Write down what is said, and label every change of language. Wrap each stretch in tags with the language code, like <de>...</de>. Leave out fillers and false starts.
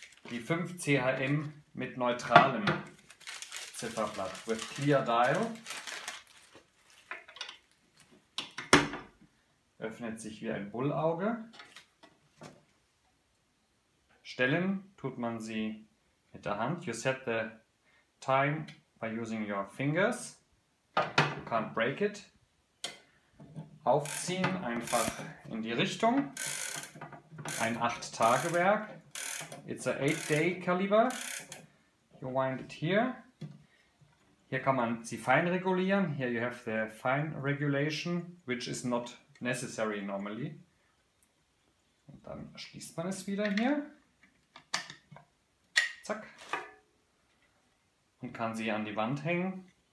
<de>Die 5CHM mit neutralem Zifferblatt.</de> <en>With clear dial.</en> <de>Öffnet sich wie ein Bullauge. Stellen tut man sie mit der Hand.</de> <en>You set the time by using your fingers. You can't break it.</en> <de>Aufziehen einfach in die Richtung. Ein 8-Tage-Werk.</de> <en>It's a 8-day caliber. You wind it here.</en> <de>Hier kann man sie fein regulieren.</de> <en>Here you have the fine regulation, which is not necessary normally.</en> <de>Und dann schließt man es wieder hier. Zack. Und kann sie an die Wand hängen.</de>